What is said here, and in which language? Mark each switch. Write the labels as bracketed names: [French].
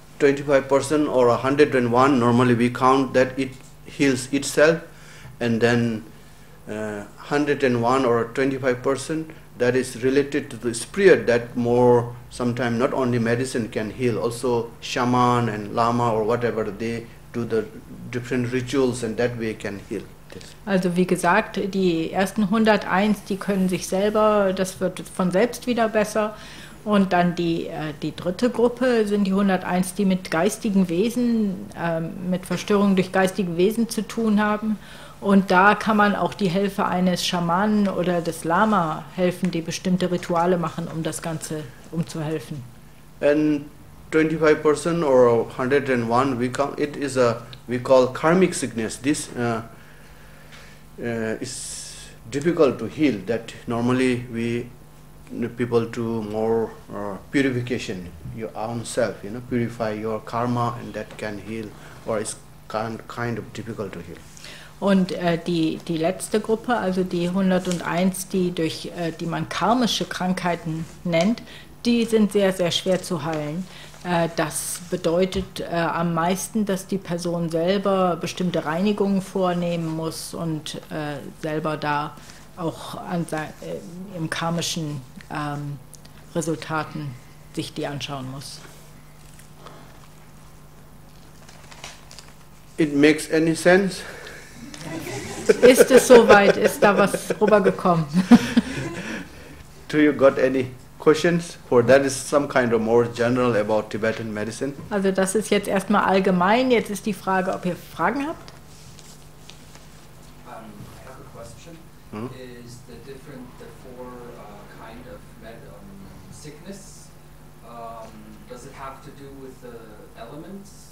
[English] 25% or 121, normally we count that it heals itself, and then 101 or 25%, that is related to the spirit, that more sometimes not only medicine can heal, also shaman and lama or whatever, they do the different rituals and that way can heal. [German] Also wie gesagt, die ersten 101, die können sich selber, das wird von selbst wieder besser. Und dann die dritte Gruppe sind die 101, die mit geistigen Wesen, mit Verstörungen durch geistige Wesen zu tun haben. Und da kann man auch die Hilfe eines Schamanen oder des Lama helfen, die bestimmte Rituale machen, um das Ganze umzuhelfen. [English] And 25% or 101, we call karmic sickness. This is difficult to heal, that normally we people do more purification, your own self, you know, purify your karma and that can heal, or it's kind of difficult to heal. [German] Und die letzte Gruppe, also die 101, die man karmische Krankheiten nennt, die sind sehr, sehr schwer zu heilen. Das bedeutet am meisten, dass die Person selber bestimmte Reinigungen vornehmen muss und selber da auch an im karmischen Resultaten sich die anschauen muss. [English] It makes any sense? [German] Ist es soweit? Ist da was rübergekommen? [English] Do you got any questions? For that is some kind of more general about Tibetan medicine. [German] Also das ist jetzt erstmal allgemein. Jetzt ist die Frage, ob ihr Fragen habt. [English] I have a question. Is the different, the four kind of sickness, does it have to do with the elements?